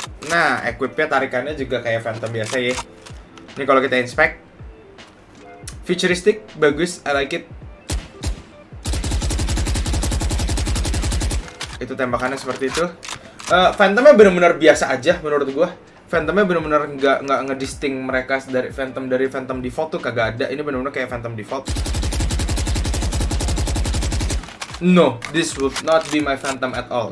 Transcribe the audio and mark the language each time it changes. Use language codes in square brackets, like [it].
[id] Nah, equip-nya tarikannya juga kayak Phantom biasa ya. Ini kalau kita inspect. [en] Futuristic, bagus, I like it. [id] Itu tembakannya seperti itu. Phantom-nya benar-benar biasa aja menurut gue. Phantom-nya benar-benar nggak ngedisting mereka dari Phantom default tuh kagak ada. Ini benar-benar kayak Phantom default. [en] No, this would not be my Phantom at all.